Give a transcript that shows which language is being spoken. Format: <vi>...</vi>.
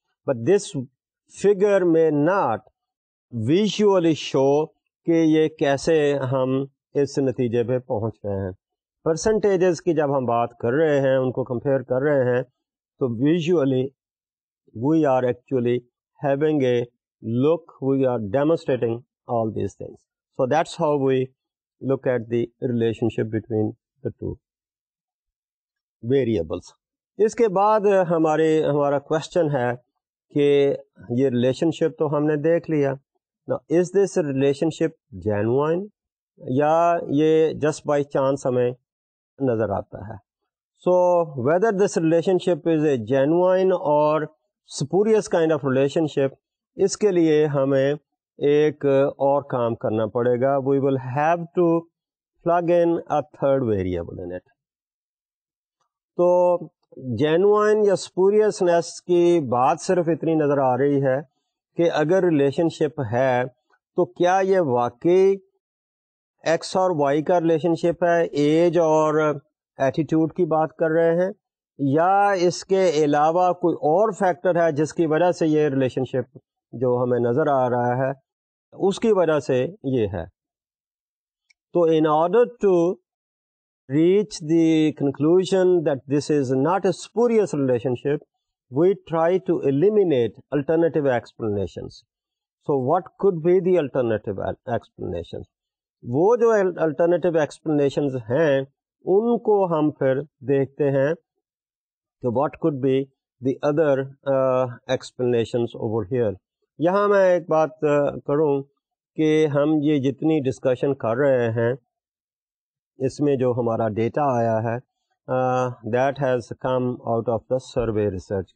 <en>but this figure</en> <ur>میں</ur> <en>not visually show</en> <ur>کہ یہ کیسے ہم اس نتیجے پہ پہنچ رہے ہیں.</ur> <en>percentages</en> <ur>کی جب ہم بات کر رہے ہیں, ان کو کمپیئر کر رہے ہیں, تو</ur> <en>Visually we are actually having a look, we are demonstrating all these things. So that's how we look at the relationship between the two variables.</en> <ur>اس کے بعد ہمارا کویشچن ہے کہ یہ ریلیشن شپ تو ہم نے دیکھ لیا,</ur> <en>is this relationship genuine</en> <ur>یا یہ</ur> <en>just by chance</en> <ur>ہمیں نظر آتا ہے.</ur> <en>so whether this relationship is a genuine اور spurious kind of relationship,</en> <ur>اس کے لیے ہمیں ایک اور کام کرنا پڑے گا.</ur> <en>We will have to plug in a third variable in it.</en> <ur>تو جینوائن یا سپوریسنیس کی بات صرف اتنی نظر آ رہی ہے کہ اگر ریلیشن شپ ہے تو کیا یہ واقعی ایکس اور وائی کا ریلیشن شپ ہے, ایج اور ایٹیٹیوڈ کی بات کر رہے ہیں, یا اس کے علاوہ کوئی اور فیکٹر ہے جس کی وجہ سے یہ ریلیشن شپ جو ہمیں نظر آ رہا ہے اس کی وجہ سے یہ ہے.</ur> <en>تو in order to reach the conclusion that this is not a spurious relationship we try to eliminate alternative explanations. So what could be the alternative explanation?</en> <ur>وہ جو الٹرنیٹیو ایکسپلینیشنز ہیں ان کو ہم پھر دیکھتے ہیں کہ</ur> <en>What could be the other explanations over here.</en> <ur>یہاں میں ایک بات کروں کہ ہم یہ جتنی ڈسکشن کر رہے ہیں اس میں جو ہمارا ڈیٹا آیا ہے</ur> <en>That has come out of the survey research.</en>